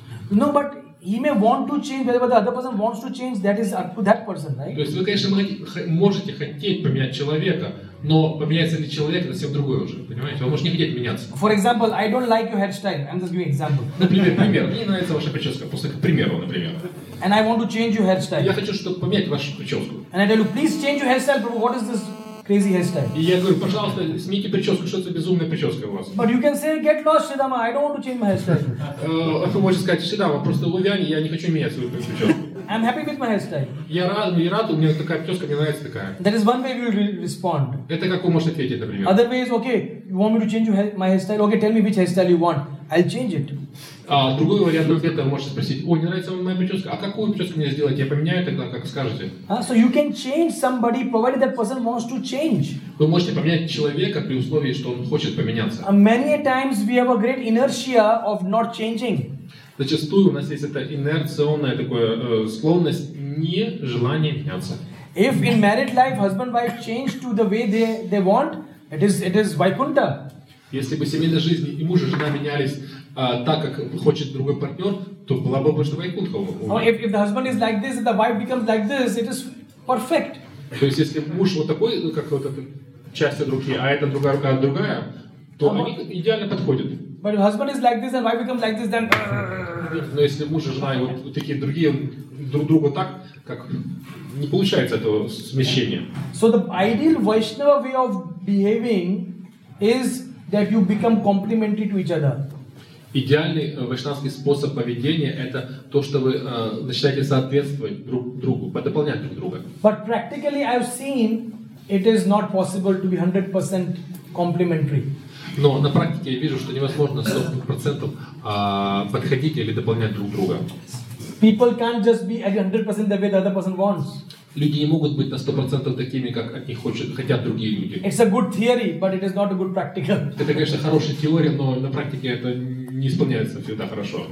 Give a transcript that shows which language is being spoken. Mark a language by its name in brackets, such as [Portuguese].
[English] No, but he may want to change, whether the other person wants to change, that is up to that person, right? [Russian] То есть вы, конечно, можете хотеть поменять человека, но поменяется ли человек, это совсем другое уже, понимаете? Он может не хотеть меняться. [English] For example, I don't like your hairstyle. I'm just giving example. [Russian] Например, пример. Мне не нравится ваша прическа. Просто к примеру, например. [English] And I want to change your hairstyle. [Russian] Я хочу, чтобы поменять вашу прическу. [English] And I tell you, please change your hairstyle, but what is this crazy hairstyle? [Russian] И я говорю, пожалуйста, смените прическу, что это безумная прическа у вас. [English] But you can say, get lost, Shidama, I don't want to change my hairstyle. [Russian] Вы можете сказать, Shidama, просто увяни, я не хочу менять свою прическу. [English] I'm happy with my hairstyle. [Russian] Я рад, у меня такая прическа, мне нравится такая. [English] That is one way you will respond. [Russian] Это как вы можете ответить, например. [English] Other way is, okay, you want me to change my hairstyle? Okay, tell me which hairstyle you want. I'll change it. [Russian] Другой вариант ответа, вы можете спросить, ой, не нравится вам моя прическа, а какую прическу мне сделать, я поменяю тогда, как скажете. [English] So you can change somebody, provided that person wants to change. [Russian] Вы можете поменять человека при условии, что он хочет поменяться. [English] Many a times we have a great inertia of not changing. [Russian] Зачастую у нас есть эта инерционная такая, склонность нежелания меняться. [English] If in married life husband wife change to the way they want, it is Vaikuntha. [Russian] Если бы семейная жизнь и муж и жена менялись так, как хочет другой партнер, то была бы больше Вайкунтха. [English] If the husband is like this, if the wife becomes like this, it is perfect. [Russian] То есть если муж вот такой, ну, как вот эта часть от руки, а эта другая рука другая, то они идеально подходят. [English] But if husband is like this and wife becomes like this, then. [Russian] Но если муж и жена вот такие другие друг другу так, как не получается этого смещения. [English] So the ideal Vaishnava way of behaving is that you become complementary to each other. [Russian] Идеальный вайшнавский способ поведения – это то, что вы начинаете соответствовать друг другу, дополнять друг друга. [English] But practically I've seen it is not possible to be 100% complementary. [Russian] Но на практике я вижу, что невозможно 100% подходить или дополнять друг друга. [English] People can't just be 100% the way the other person wants. [Russian] Люди не могут быть на 100% такими, как от них хотят другие люди. [English] It's a good theory, but it is not a good practical. [Russian] Это, конечно, хорошая теория, но на практике это не исполняется всегда хорошо.